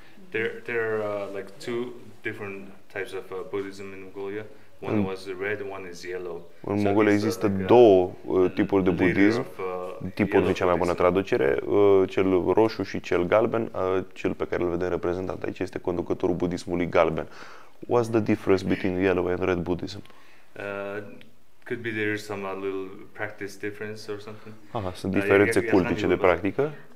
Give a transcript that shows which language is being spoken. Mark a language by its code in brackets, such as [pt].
[en] There are like two different types of Buddhism in Mongolia. One was red, one is yellow. [ro] În Mongolia există două tipuri de budism, tipul de cea mai bună traducere, cel roșu și cel galben. Cel pe care îl vedem reprezentat aici este conducătorul budismului galben. [en] What's the difference between yellow and red Buddhism? Could be there is some a little practice difference or something. [ro] Sunt diferențe cultice de practică.